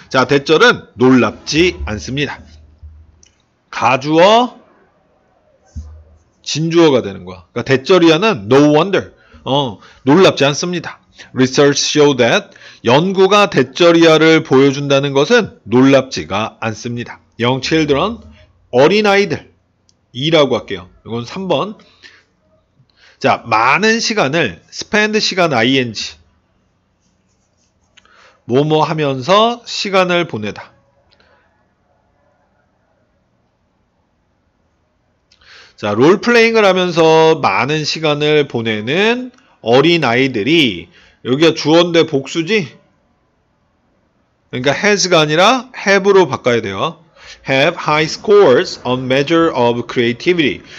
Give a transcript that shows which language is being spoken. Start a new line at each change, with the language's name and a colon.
Korean: 자, 대절은 놀랍지 않습니다. 가주어, 진주어가 되는 거야. 그러니까 대절이야는
English: no wonder.
Korean: 놀랍지 않습니다.
English: Research show that.
Korean: 연구가 대절이야를 보여준다는 것은 놀랍지가 않습니다.
English: Young children,
Korean: 어린아이들. 2라고 할게요. 이건 3번. 자, 많은 시간을 spend 시간 ing. 뭐뭐 하면서 시간을 보내다. 자, 롤플레잉을 하면서 많은 시간을 보내는 어린아이들이, 여기가 주어인데 복수지? 그러니까 has가 아니라 have로 바꿔야 돼요.
English: have high scores on measure of creativity.